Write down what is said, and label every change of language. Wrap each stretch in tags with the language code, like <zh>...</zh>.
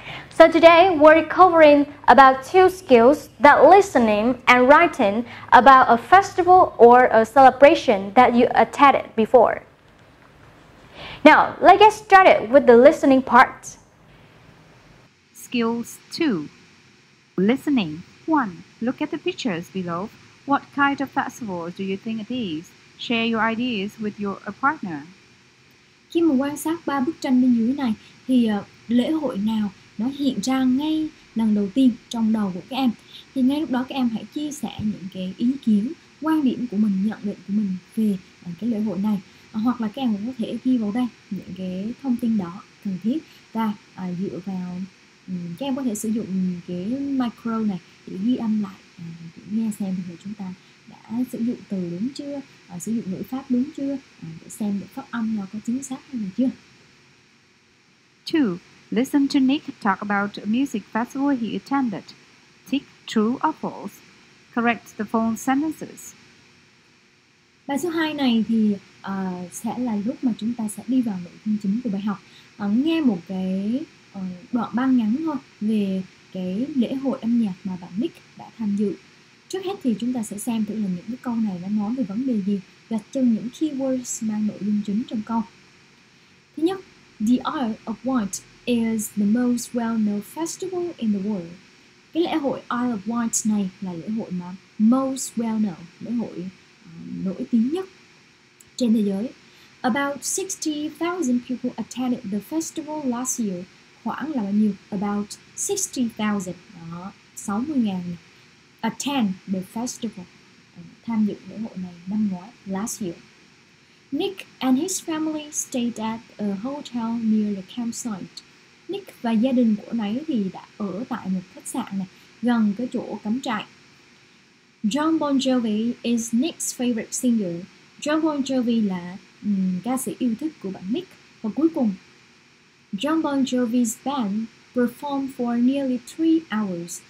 <en>So today, we're covering about two skills that listening and writing about a festival or a celebration that you attended before. Now, let's get started with the listening part. Skills 2. Listening. 1. Look at the pictures below. What kind of festivals do you think it is? Share your ideas with your partner.</en> <vi>Khi mà quan sát ba bức tranh bên dưới này thì lễ hội nào nó hiện ra ngay lần đầu tiên trong đầu của các em. Thì ngay lúc đó các em hãy chia sẻ những cái ý kiến, quan điểm của mình, nhận định của mình về cái lễ hội này. Hoặc là các em cũng có thể ghi vào đây những cái thông tin đó cần thiết và dựa vào các em có thể sử dụng cái micro này để ghi âm lại, để nghe xem thì chúng ta đã sử dụng từ đúng chưa, sử dụng ngữ pháp đúng chưa, để xem được phát âm nó có chính xác hay là chưa.</vi> <en>2. Listen to Nick talk about a music festival he attended. Tick true or false. Correct the phone sentences.</en> <vi>Bài số 2 này thì sẽ là lúc mà chúng ta sẽ đi vào nội dung chính của bài học. Nghe một cái đoạn băng ngắn thôi về cái lễ hội âm nhạc mà bạn Nick đã tham dự. Trước hết thì chúng ta sẽ xem thử là những cái câu này nó nói về vấn đề gì, gạch chân những keywords mang nội dung chính trong câu. Thứ nhất,</vi> <en>The Isle of Wight is the most well-known festival in the world.</en> <vi>Cái lễ hội Isle of Wight này là lễ hội mà</vi> <en>most well-known,</en> <vi>lễ hội nổi tiếng nhất trên thế giới.</vi> <en>About 60,000 people attended the festival last year.</en> <vi>Khoảng là bao nhiêu?</vi> <en>About 60,000. Đó, 60,000. Attend the festival.</en> <vi>Tham dự lễ hội này năm ngoái,</vi> <en>last year. Nick and his family stayed at a hotel near the campsite.</en> <vi>Nick và gia đình của anh ấy thì đã ở tại một khách sạn này, gần cái chỗ cắm trại.</vi> <en>John Bon Jovi is Nick's favorite singer.</en> <vi>John Bon Jovi là ca sĩ yêu thích của bạn Nick. Và cuối cùng,</vi> <en>John Bon Jovi's band performed for nearly 3 hours.</en>